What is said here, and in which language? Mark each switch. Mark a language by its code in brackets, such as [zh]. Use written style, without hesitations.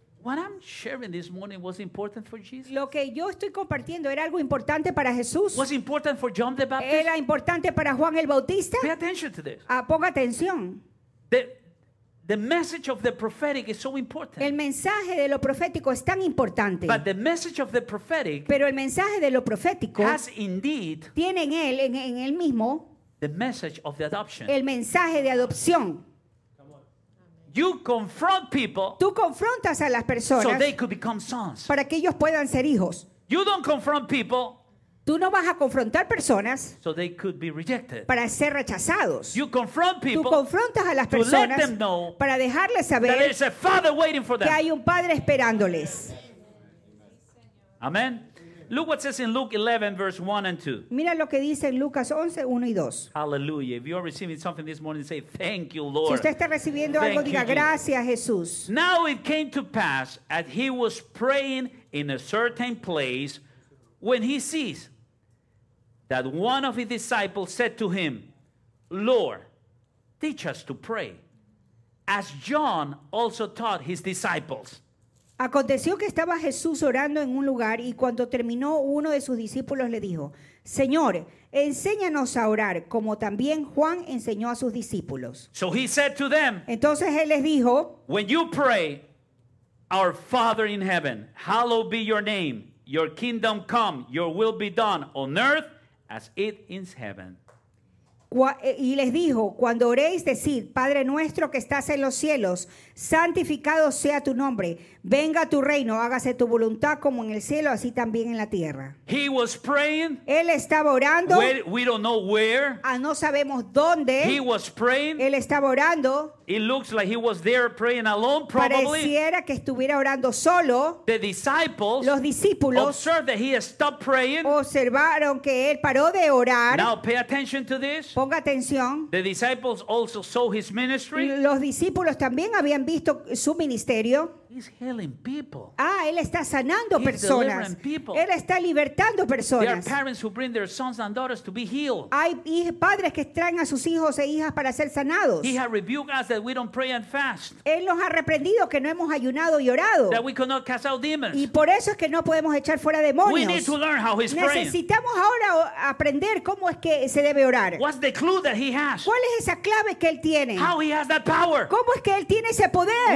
[en] What I'm sharing this morning was important for Jesus. [es] Lo que yo estoy compartiendo era algo importante para Jesús. [en] Was important for John the Baptist. [es] Era importante para Juan el Bautista. [en] Pay attention to this. [es] Ponga atención. [en] The message of the prophetic is so important. [es] El mensaje de lo profético es tan importante. [en] But the message of the prophetic, [es] pero el mensaje de lo profético, [en] has indeed, [es] tiene en él, en él mismo, [en] the message of the adoption. [es] El mensaje de adopción. [en] You confront people, [es] tú confrontas a las personas, [en] so they could become sons. [es] Para que ellos puedan ser hijos. [en] You don't confront people, [es] Tú no vas a confrontar personas [en] so they could be rejected. [es] Para ser rechazados. [en] You confront people [es] Tú confrontas a las personas para dejarles saber [en] that there's a father waiting for them. [es] Que hay un padre esperándoles. [en] Amen. Look what says in Luke 11, verse 1 and 2. [es] Mira lo que dice en Lucas 11, 1 y 2. [en] Hallelujah. If you are receiving something this morning, say, thank you, Lord. [es] Si usted está recibiendo algo, diga, gracias, Jesús. [en] Now it came to pass that he was praying in a certain place when he sees that one of his disciples said to him, Lord, teach us to pray, as John also taught his disciples. [es] Aconteció que estaba Jesús orando en un lugar y cuando terminó uno de sus discípulos le dijo, Señor, enséñanos a orar como también Juan enseñó a sus discípulos. [en] So he said to them, [es] entonces él les dijo, [en] when you pray, our Father in heaven, hallowed be your name, your kingdom come, your will be done on earth as it is heaven. [es] Y les dijo, cuando oréis, decid, Padre nuestro que estás en los cielos, santificado sea tu nombre, venga tu reino, hágase tu voluntad como en el cielo, así también en la tierra. [en] He was praying, [es] él estaba orando, [en] where, we don't know where, [es] a no sabemos dónde, [en] he was praying, [es] él estaba orando, [en] it looks like he was there praying alone, probably. [es] Pareciera que estuviera orando solo, [en] the disciples, [es] los discípulos, [en] observed that he had stopped praying, [es] observaron que él paró de orar. [en] Now pay attention to this. [es] Ponga atención. [en] The disciples also saw his ministry. [es] Los discípulos también habían visto su ministerio. [en] He's healing people. [es] Ah, él está sanando [en] He's [es] personas. [en] Delivering people. [es] Él está libertando personas. [en] There are parents who bring their sons and daughters to be healed. [es] Hay padres que traen a sus hijos e hijas para ser sanados. [en] He has rebuked us that we don't pray and fast. [es] Él nos ha reprendido que no hemos ayunado y orado. [en] That we cannot cast out demons. [es] Y por eso es que no podemos echar fuera demonios. [en] We need to learn how he's praying. [es] Necesitamos ahora aprender cómo es que se debe orar. [en] What's the clue that he has? [es] ¿Cuál es esa clave que él tiene? [en] How he has that power? [es] ¿Cómo es que él tiene ese poder?